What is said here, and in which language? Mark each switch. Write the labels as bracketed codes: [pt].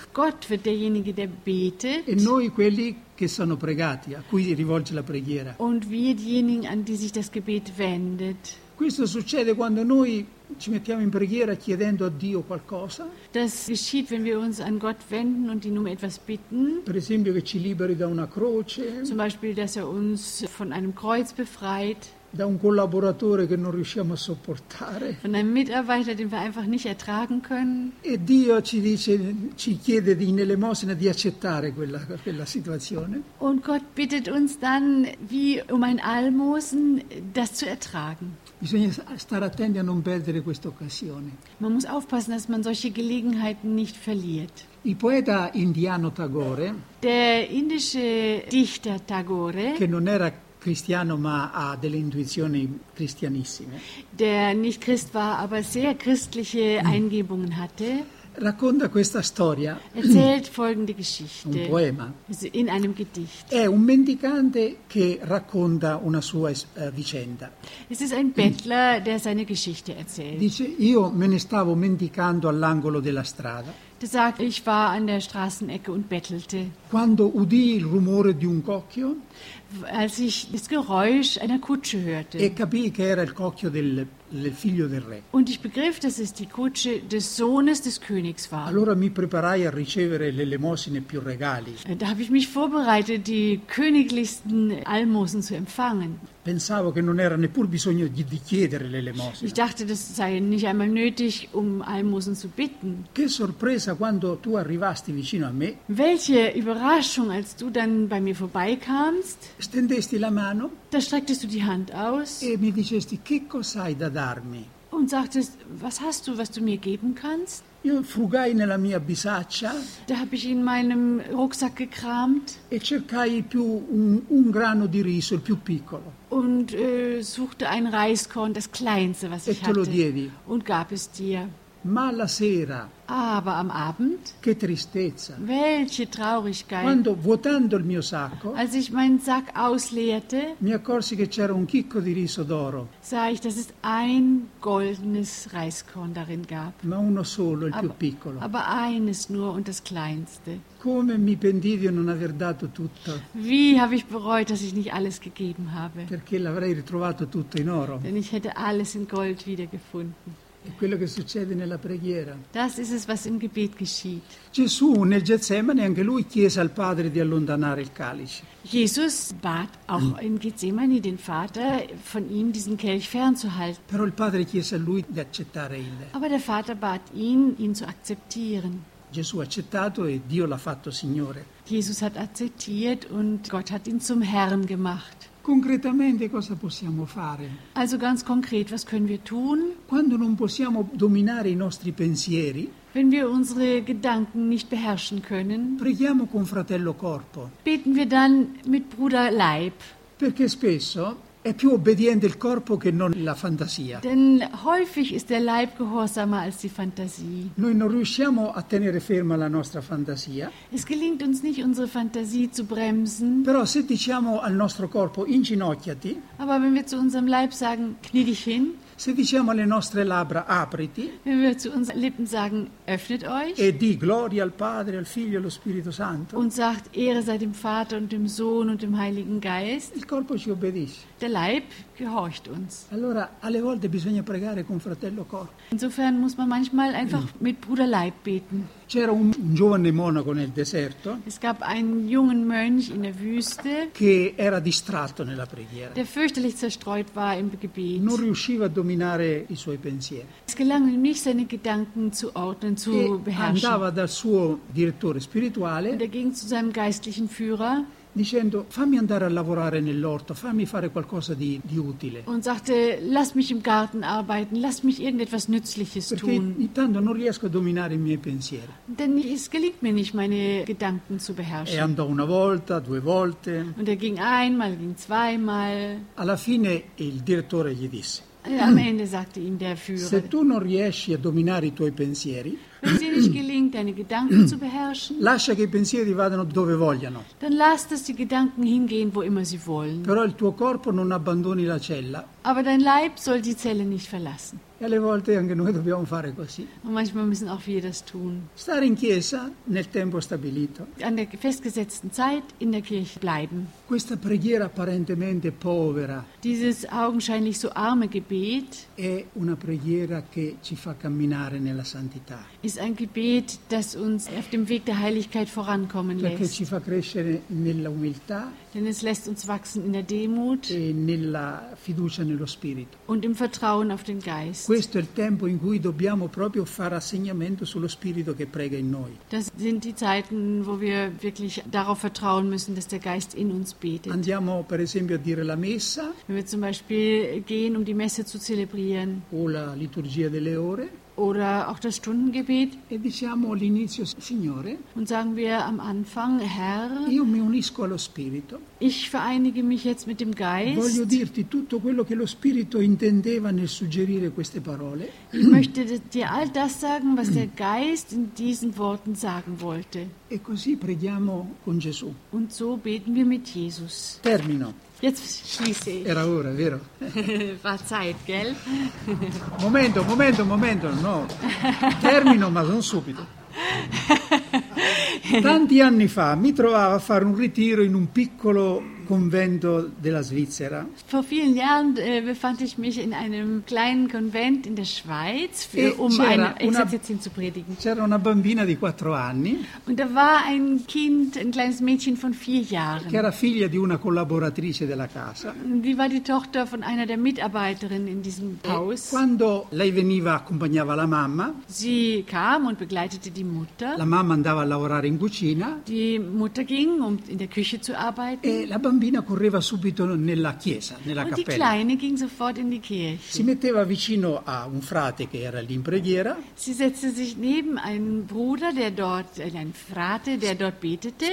[de] Gott wird derjenige, der betet. [it] E noi quelli che sono pregati, a cui rivolge la preghiera. [de] Und wir diejenigen, an die sich das Gebet wendet. [it] Questo succede quando noi ci mettiamo in preghiera chiedendo a Dio qualcosa. [de] Das geschieht, wenn wir uns an Gott wenden und ihn um etwas bitten. [it] Per esempio che ci liberi da una croce. [de] Zum Beispiel, dass er uns von einem Kreuz befreit. [it] Da un collaboratore che non riusciamo a sopportare. [de] Von einem Mitarbeiter, den wir einfach nicht ertragen können. [it] E Dio ci chiede di in elemosina di accettare quella situazione. [de] Und Gott bittet uns dann wie um ein Almosen, das zu ertragen. [it] Bisogna stare attenti a non perdere questa occasione. [de] Man muss aufpassen, dass man solche Gelegenheiten nicht verliert. [it] Il poeta indiano Tagore. [de] Der indische Dichter Tagore. [it] Che non era cristiano, ma ha delle intuizioni cristianissime. [de] Der nicht Christ war, aber sehr christliche Eingebungen hatte. [it] Racconta questa storia. [de] Erzählt folgende Geschichte. [it] Un poema. [de] In einem Gedicht. [it] È un mendicante che racconta una sua vicenda. [de] Es ist ein Bettler, der seine Geschichte erzählt. [it] Dice: Io me ne stavo mendicando all'angolo della strada. [de] Er sagt, ich war an der Straßenecke und bettelte. [it] Quando udì il rumore di un cocchio. [de] Als ich das Geräusch einer Kutsche hörte. [it] E capì che era il cocchio del figlio del re. [de] Und ich begriff, dass es die Kutsche des Sohnes des Königs war. [it] Allora mi preparai a ricevere le elemosine più regali. [de] Da habe ich mich vorbereitet, die königlichsten Almosen zu empfangen. [it] Pensavo che non era neppur bisogno di chiedere le elemosine. [de] Ich dachte, das sei nicht einmal nötig, um Almosen zu bitten. [it] Che sorpresa quando tu arrivasti vicino a me. [de] Welche Überraschung, als du dann bei mir vorbeikamst. [it] Stendesti la mano. [de] Da strecktest du die Hand aus. [it] E mi dicesti, che cos'hai da darmi? [de] und sagtest, was hast du, was du mir geben kannst? [it] Io frugai nella mia bisaccia. [de] Da habe ich in meinem Rucksack gekramt. [it] E cercai più un grano di riso, il più piccolo. [de] Und suchte ein Reiskorn, das kleinste, was e ich hatte. [it] Lo diedi. [de] Und gab es dir. [it] Ma la sera. [de] Aber am Abend. [it] Che tristezza. [de] Welche Traurigkeit. [it] Quando vuotando il mio sacco. [de] Als ich meinen Sack ausleerte. [it] Mi accorsi che c'era un chicco di riso d'oro. [de] Sah ich, dass es ein goldenes Reiskorn darin gab. [it] Ma uno solo, il più piccolo. [de] Aber eines nur und das kleinste. [it] Come mi pentì di non aver dato tutto. [de] Wie habe ich bereut, dass ich nicht alles gegeben habe. [it] Perché l'avrei ritrovato tutto in oro. [de] Denn ich hätte alles in Gold wiedergefunden. [it] È quello che succede nella preghiera. [de] Das ist es, was im Gebet geschieht. [it] Gesù nel Getsemane anche lui chiese al Padre di allontanare il calice. [de] Jesus bat auch in Getsemani den Vater von ihm diesen Kelch fernzuhalten. [it] Però il Padre chiese a lui di accettare il. [de] Aber der Vater bat ihn zu akzeptieren. [it] Gesù ha accettato e Dio l'ha fatto Signore. [de] Jesus hat akzeptiert und Gott hat ihn zum Herrn gemacht. [it] Konkretamente cosa possiamo fare? [de] Also ganz konkret, was können wir tun? [it] Quando non possiamo dominare i nostri pensieri? [de] Wenn wir unsere Gedanken nicht beherrschen können? [it] Preghiamo con fratello corpo. [de] Beten wir dann mit Bruder Leib. [it] Perché spesso è più obbediente il corpo che non la fantasia. [de] Denn häufig ist der Leib gehorsamer als die Fantasie. [it] Noi non riusciamo a tenere ferma la nostra fantasia. [de] Es gelingt uns nicht, unsere Fantasie zu bremsen. [it] Però se diciamo al nostro corpo, inginocchiati. [de] Aber wenn wir zu unserem Leib sagen, knie dich hin. [it] Se diciamo alle nostre labbra, apriti. [de] Wenn wir zu unseren Lippen sagen, öffnet euch. [it] E di gloria al Padre, al Figlio, allo Spirito Santo. [de] Und sagt, Ehre sei dem Vater und dem Sohn und dem Heiligen Geist. [it] Il corpo ci obbedisce. [de] Der Leib gehorcht uns. [it] Allora, alle volte bisogna pregare con fratello corpo. [de] Insofern muss man manchmal einfach mit Bruder Leib beten. [it] C'era un giovane monaco nel deserto. [de] Es gab einen jungen Mönch in der Wüste. [it] Che era distratto nella preghiera. [de] Der fürchterlich zerstreut war im Gebet. [it] Non riusciva a dominare i suoi pensieri. [de] Es gelang ihm nicht, seine Gedanken zu ordnen, zu beherrschen. [it] Andava dal suo direttore spirituale. [de] Und er ging zu seinem geistlichen Führer. [it] Dicendo, fammi andare a lavorare nell'orto, fammi fare qualcosa di utile. [de] Und sagte, lass mich im Garten arbeiten, lass mich irgendetwas Nützliches [it] perché [de] tun. [it] Perché intanto non riesco a dominare i miei pensieri. [de] Denn es gelingt mir nicht, meine Gedanken zu beherrschen. [it] E andò una volta, due volte. [de] Und er ging einmal, ging zweimal. [it] Alla fine il direttore gli disse. [de] Am Ende sagte ihm der Führer. [it] Se tu non riesci a dominare i tuoi pensieri. [de] Wenn es dir nicht gelingt, deine Gedanken zu beherrschen, [it] lascia che i pensieri vadano dove vogliano. [de] Dann lass, dass die Gedanken hingehen, wo immer sie wollen. [it] Però il tuo corpo non abbandoni la cella. [de] Aber dein Leib soll die Zelle nicht verlassen. [it] E alle volte anche noi dobbiamo fare così. [de] Und manchmal müssen auch wir das tun. [it] Stare in chiesa nel tempo stabilito. [de] An der festgesetzten Zeit in der Kirche bleiben. [it] Questa preghiera apparentemente povera. [de] Dieses augenscheinlich so arme Gebet. [it] È una preghiera che ci fa camminare nella santità. [de] Ist ein Gebet, das uns auf dem Weg der Heiligkeit vorankommen lässt. [it] Perché ci fa crescere nella umiltà. [de] Denn es lässt uns wachsen in der Demut. [it] E nella fiducia nello Spirito. [de] Und im Vertrauen auf den Geist. [it] Questo è il tempo in cui dobbiamo proprio fare assegnamento sullo Spirito che prega in noi. [de] Das sind die Zeiten, wo wir wirklich darauf vertrauen müssen, dass der Geist in uns betet. [it] Andiamo per esempio a dire la Messa. [de] Wenn wir zum Beispiel gehen, um die Messe zu zelebrieren. [it] O la Liturgia delle Ore. [de] Oder auch das Stundengebet. [it] E diciamo all'inizio, Signore. [de] Und sagen wir am Anfang, Herr. [it] Io mi unisco allo Spirito. [de] Ich vereinige mich jetzt mit dem Geist. [it] Voglio dirti tutto quello che lo Spirito intendeva nel suggerire queste parole. [de] Ich möchte dir all das sagen, was der Geist in diesen Worten sagen wollte. [it] E così preghiamo con Gesù. [de] Und so beten wir mit Jesus. [it] Termino. [de] Jetzt schließe ich. [it] Era ora, vero? [de] War Zeit, gell? [it] Momento, no. Termino, ma non subito. Tanti anni fa mi trovavo a fare un ritiro in un piccolo convento della Svizzera. [de] Vor vielen Jahren befand ich mich in einem kleinen Konvent in der Schweiz, [it] C'era una bambina di 4 anni. [de] Und da war ein Kind, ein kleines Mädchen von 4 Jahren. [it] Che era figlia di una collaboratrice della casa. [de] Die war die Tochter von einer der Mitarbeiterinnen in diesem Haus. [it] Quando lei veniva accompagnava la mamma. [de] Sie kam und begleitete die Mutter. [it] La mamma andava a lavorare in cucina. [de] Die Mutter ging, um in der Küche zu arbeiten. [it] La bambina correva subito nella chiesa, nella cappella. [de] Und die Kleine ging sofort in die Kirche. [it] Si metteva vicino a un frate che era lì in preghiera. [de] Si setzte sich neben einen Bruder, der dort, ein Frate, der dort betete.